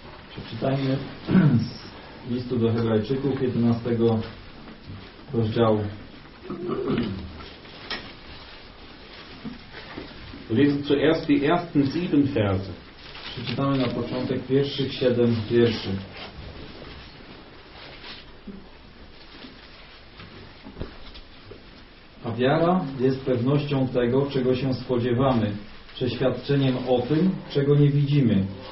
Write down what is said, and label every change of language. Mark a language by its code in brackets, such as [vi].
[pl] Przeczytajmy z listu do Hebrajczyków 11 rozdziału. [de] Lesen zuerst die ersten 7 Verse. [pl] Przeczytamy na początek pierwszych 7 wierszy. A wiara jest pewnością tego, czego się spodziewamy, przeświadczeniem o tym, czego nie widzimy.